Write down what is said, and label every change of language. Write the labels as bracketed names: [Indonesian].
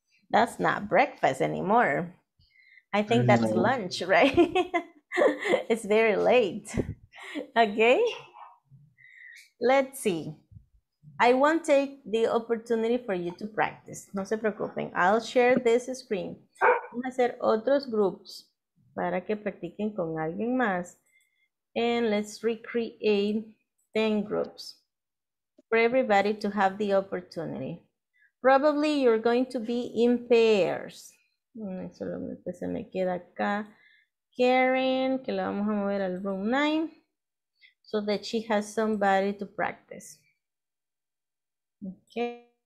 [English] That's not breakfast anymore. I think that's lunch, right? It's very late. Okay. Let's see. I won't take the opportunity for you to practice. [Spanish] No se preocupen. [English] I'll share this screen. [Spanish] Vamos a hacer otros grupos para que practiquen con alguien más. [English] And let's recreate 10 groups for everybody to have the opportunity. Probably you're going to be in pairs. [Spanish] Solo se me queda acá Karen, que la vamos a mover al [English] room 9, so that she has somebody to practice. Okay.